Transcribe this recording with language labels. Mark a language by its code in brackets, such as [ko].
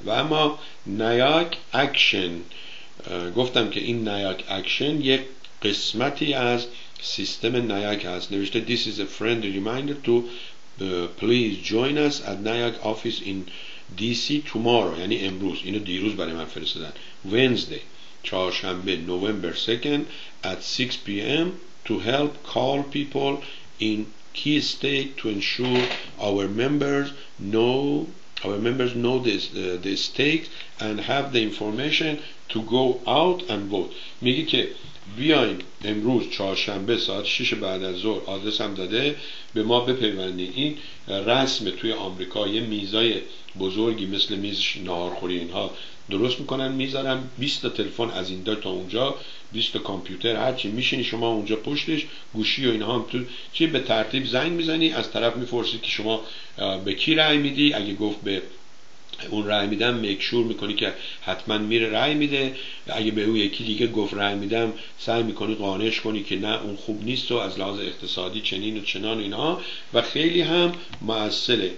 [fa] و اما نیاک اکشن، گفتم که این نیاک اکشن یک قسمتی از سیستم نیاک هست. نوشته [en] This is a friendly reminder to please join us at NIAC office in DC tomorrow. [fa] یعنی امروز، اینو دیروز برای من فرستادن. [en] Wednesday، چهارشنبه، November 2nd at 6 PM to help call people in key state to ensure our members know the stakes and have the information to go out and vote. [fa] میگه که بیاین امروز چهارشنبه ساعت 6 بعد از ظهر، آدرس هم داده، به ما بپیوندین. این رسم توی آمریکا، یه میزای بزرگی مثل میز ناهارخوری اینها درست میکنن، میذارن 20 تا تلفن از اینجا تا اونجا، 20 تا کامپیوتر، هر چی میشینی شما اونجا پشتش، گوشی و اینها هم تو چی به ترتیب زنگ میزنی، از طرف میپرسی که شما به کی رأی میدی، اگه گفت به اون رأی میدم میکشور میکنی که حتما میره رأی میده، اگه به اون یکی دیگه گفت رأی میدم سعی میکنی قانعش کنی که نه اون خوب نیست و از لحاظ اقتصادی چنین و چنان اینها، و خیلی هم مؤثره.